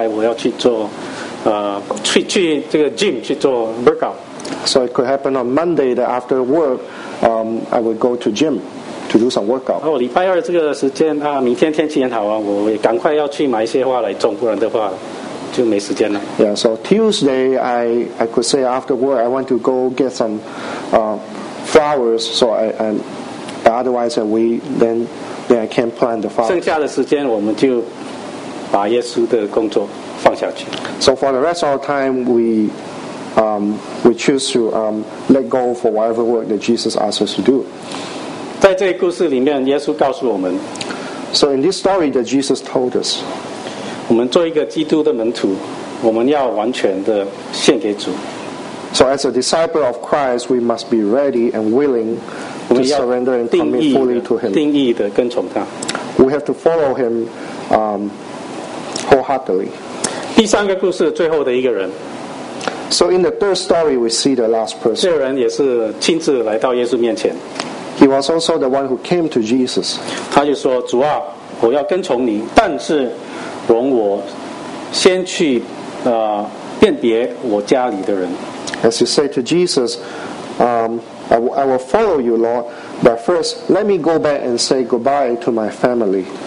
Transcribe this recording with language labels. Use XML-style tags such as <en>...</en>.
<zh>我礼拜天、礼拜一上下班以后，哎，这个时间我要安排，我要去做，去这个 gym 去做 workout.</zh> <en>So it could happen on Monday that after work, I would go to gym to do some workout.</en> <zh>哦，礼拜二这个时间啊，明天天气很好啊，我也赶快要去买一些花来种，不然的话。</zh> <en>Yeah, so Tuesday, I could say after work, I want to go get some flowers, so otherwise I can't plant the flowers.</en> <zh>剩下的时间我们就把耶稣的工作放下去。</zh> <en>So for the rest of our time, we choose to let go for whatever work that Jesus asked us to do.</en> <zh>在这个故事里面，耶稣告诉我们。</zh> <en>So in this story that Jesus told us,</en> <zh>我们做一个基督的门徒，我们要完全的献给主。</zh> <en>So as a disciple of Christ, we must be ready and willing to surrender and commit fully to Him.</en> <zh>定义的跟从他。</zh> <en>We have to follow Him wholeheartedly.</en> <zh>第三个故事最后的一个人。</zh> <en>So in the third story, we see the last person.</en> <zh>这人也是亲自来到耶稣面前。</zh> <en>He was also the one who came to Jesus.</en> <zh>他就说：“主啊，我要跟从你，但是容我先去辨别我家里的人。”</zh> <en>As he said to Jesus, I will follow you, Lord, but first let me go back and say goodbye to my family.</en>